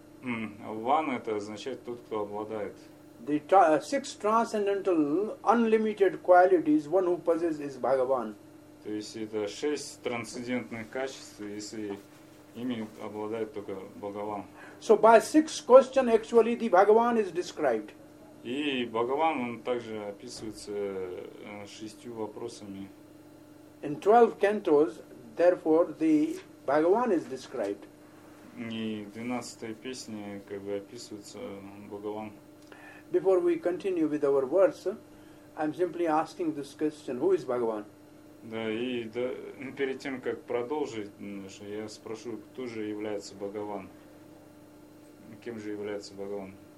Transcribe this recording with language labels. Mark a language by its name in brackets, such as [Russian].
[Russian] One это означает тот, кто обладает. [English] The six transcendental unlimited qualities, one who possesses is Bhagavan. [Russian] То есть это шесть трансцендентных качеств, если ими обладает только Бхагаван. [English] So by six question actually the Bhagavan is described. [Russian] И Бхагаван он также описывается шестью вопросами. [English] In 12 cantos, therefore the Bhagavan is described. [Russian] И 12-я песня как бы описывается Бхагаван. [English] Before we continue with our words, I'm simply asking this question: who is Bhagavan? [Russian] Да, и да, перед тем, как продолжить, я спрошу, кто же является Бхагаван? Кем же является Бхагаван?